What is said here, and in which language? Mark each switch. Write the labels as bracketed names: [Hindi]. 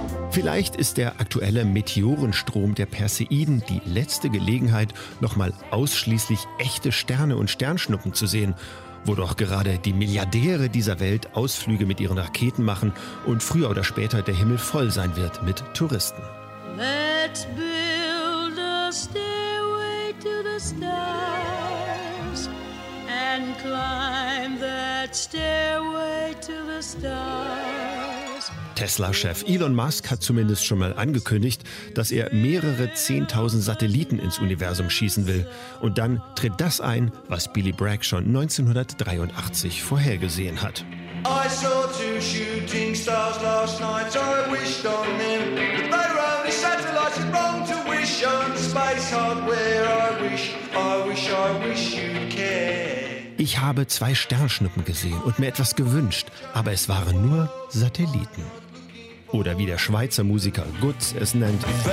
[German] Vielleicht ist der aktuelle Meteorenstrom der Perseiden die letzte Gelegenheit, nochmal ausschließlich echte Sterne und Sternschnuppen zu sehen, wo doch gerade die Milliardäre dieser Welt Ausflüge mit ihren Raketen machen und früher oder später der Himmel voll sein wird mit Touristen. [English] Let's build a stairway to the stars and climb that stairway to the stars. [German] Tesla-Chef Elon Musk hat zumindest schon mal angekündigt, dass er mehrere 10.000 Satelliten ins Universum schießen will. Und dann tritt das ein, was Billy Bragg schon 1983 vorhergesehen hat. [English] I saw two shooting stars last night, I wished on them. But they were only satellites, it's wrong to wish on space hardware. I wish you'd care. [German] Ich habe zwei Sternschnuppen gesehen und mir etwas gewünscht, aber es waren nur Satelliten. Oder wie der Schweizer Musiker Gutz es nennt.